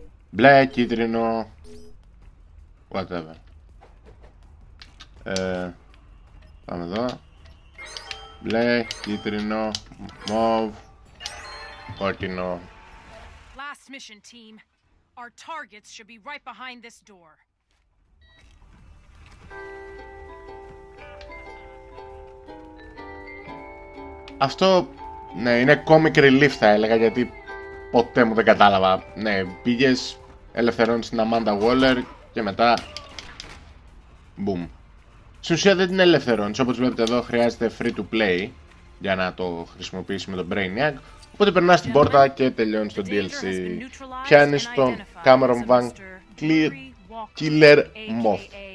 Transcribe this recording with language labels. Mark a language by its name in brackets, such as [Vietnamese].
[Greek] Μπλε, κίτρινο, whatever. Πάμε εδώ. Μπλε, κίτρινο, μοβ, κόκκινο. [English] Last mission team. Our targets should be right behind this door. Thank you. [Greek] αυτό, ναι, είναι comic relief θα έλεγα, γιατί ποτέ μου δεν κατάλαβα. Ναι, πήγες, ελευθερώνεις την Amanda Waller και μετά... Boom. Στην ουσία δεν την ελευθερώνεις, όπως βλέπετε εδώ χρειάζεται free to play για να το χρησιμοποιήσει με τον Brainiac. Οπότε περνάς την πόρτα και τελειώνεις το DLC. Πιάνεις τον Cameron Van Clear Killer Moth.